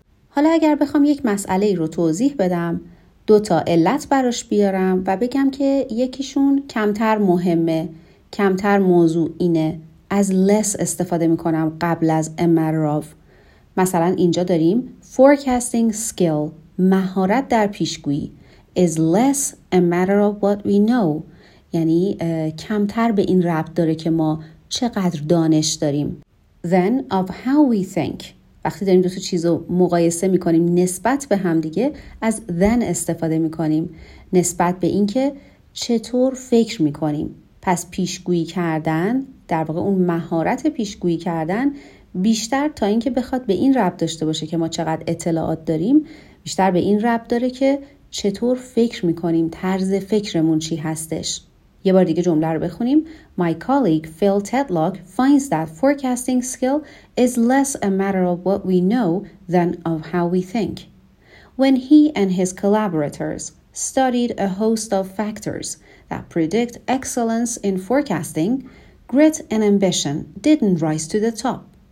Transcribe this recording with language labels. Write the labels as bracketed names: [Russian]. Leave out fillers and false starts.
[Persian] حالا اگر بخوام یک مسئله رو توضیح بدم، دو تا علت براش بیارم و بگم که یکیشون کمتر مهمه، کمتر موضوع اینه، از less استفاده میکنم قبل از a matter of. مثلا اینجا داریم forecasting skill، مهارت در پیشگویی. [English] is less a matter of what we know. [Persian] یعنی کمتر به این ربط داره که ما چقدر دانش داریم. [English] Then of how we think. [Persian] وقتی داریم دو تا چیزو مقایسه میکنیم نسبت به هم دیگه از then استفاده میکنیم. نسبت به اینکه چطور فکر میکنیم. پس پیشگویی کردن، در واقع اون مهارت پیشگویی کردن بیشتر تا اینکه بخواد به این ربط داشته باشه که ما چقدر اطلاعات داریم، بیشتر به این ربط داره که چطور فکر میکنیم، طرز فکرمون چی هستش. یه بار دیگه جمله رو بخونیم. [English] My colleague Phil Tetlock finds that forecasting skill is less a matter of what we know than of how we think. When he and his collaborators studied a host of factors that predict excellence in forecasting, grit and ambition didn't rise to the top.